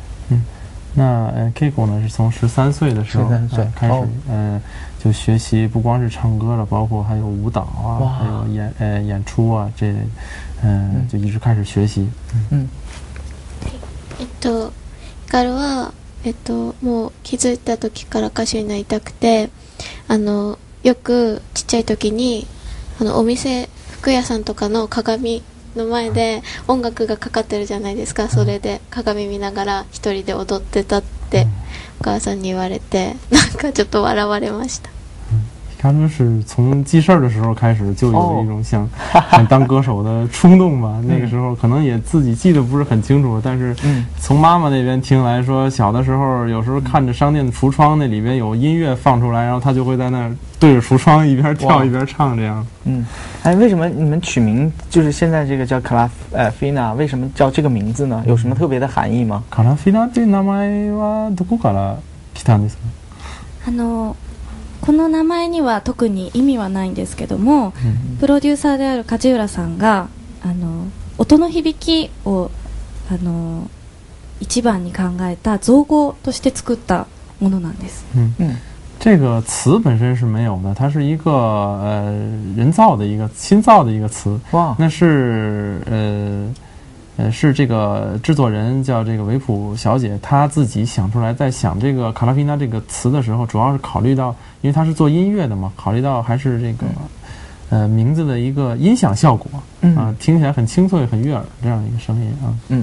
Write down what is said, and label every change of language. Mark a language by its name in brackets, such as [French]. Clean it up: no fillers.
[Chinese] 嗯，那Keiko 呢是从13岁的时候开始，就学习不光是唱歌了，包括还有舞蹈啊，还有演出啊，这就一直开始学习。嗯。 [Japanese] ヒカルは、もう気づいた時から歌手になりたくて、よくちっちゃい時にお店服屋さんとかの鏡の前で音楽がかかってるじゃないですか。それで鏡見ながら一人で踊ってたってお母さんに言われて、なんかちょっと笑われました。 [Chinese] ヒカル是从记事的时候开始就有一种 想当歌手的冲动吧。那个时候可能也自己记得不是很清楚，但是从妈妈那边听来说，小的时候有时候看着商店的橱窗那里边有音乐放出来，然后他就会在那对着橱窗一边跳一边唱这样。哎，为什么你们取名就是现在这个叫卡拉菲娜，为什么叫这个名字呢？有什么特别的含义吗？ [Japanese] 卡拉菲娜という名前はどこから来たんですか？この名前には特に意味はないんですけども、プロデューサーである梶浦さんが音の響きを一番に考えた造語として作ったものなんです。 [Chinese] 这个词本身是没有的，它是一个人造的一个新造的一个词。哇，那是是这个制作人叫这个维普小姐，她自己想出来，在想这个卡拉菲娜这个词的时候，主要是考虑到，因为她是做音乐的嘛，考虑到还是这个名字的一个音响效果啊，听起来很清脆、很悦耳这样一个声音啊。